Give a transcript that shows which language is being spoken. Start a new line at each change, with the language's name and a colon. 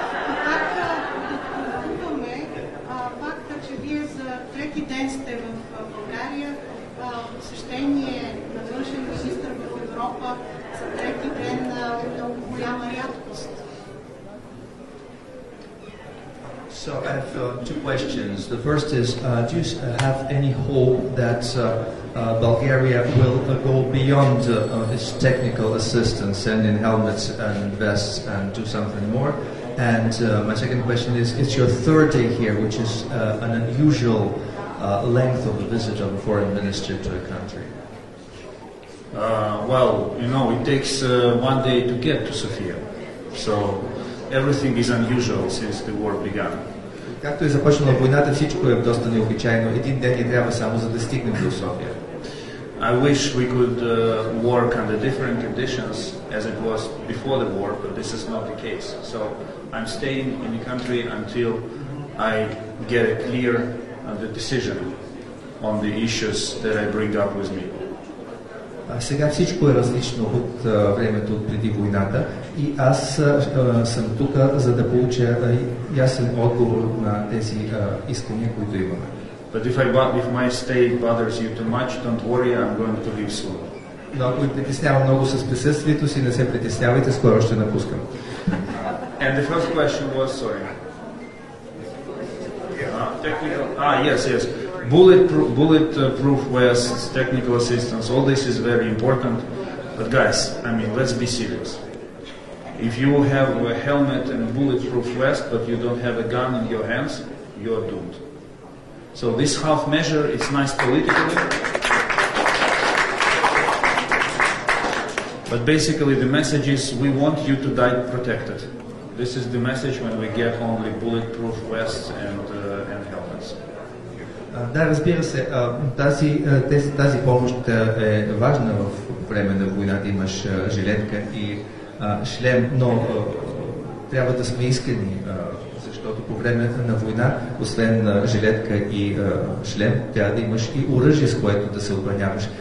Bulgarian: И пак допълваме факта, че вие за трети ден сте в България, посещение на външен министър в Европа за трети ден на много голяма рядкост.
English: So I have two questions. The first is, do you have any hope that Bulgaria will go beyond its technical assistance, send in helmets and vests and do something more? And my second question is, it's your third day here, which is an unusual length of a visit of a foreign minister to a country. Well, you know, it takes one day to get to Sofia. So everything is unusual since the war began.
Bulgarian: Както е започнала войната, всичко е доста необичайно. Един ден ни трябва само за да стигнем до София.
English: I wish we could work under different conditions as it was before the war, but this is not the case. So I'm staying in the country until I get a clear decision on the issues that I bring up with me.
Bulgarian: Сега всичко е различно от времето от преди войната и аз съм тук, за да получа ясен отговор на тези искания, които имаме.
English: But if my stay bothers you too much, don't worry, I'm going to leave soon.
Bulgarian: Но ако ви притеснявам много с присъствието си, не се притеснявайте, скоро ще напускам.
English: And the first question was, sorry. Yes. Bulletproof vests, technical assistance, all this is very important. But guys, I mean, let's be serious. If you have a helmet and bulletproof vest, but you don't have a gun in your hands, you are doomed. So this half measure is nice politically. But basically the message is, we want you to die protected. This is the message when we get only bulletproof vests and helmets.
Bulgarian: Да, разбира се, тази помощ е важна в време на войната. Имаш жилетка и шлем, но трябва да сме искрени, защото по време на война, освен жилетка и шлем, трябва да имаш и оръжие, с което да се обраняваш.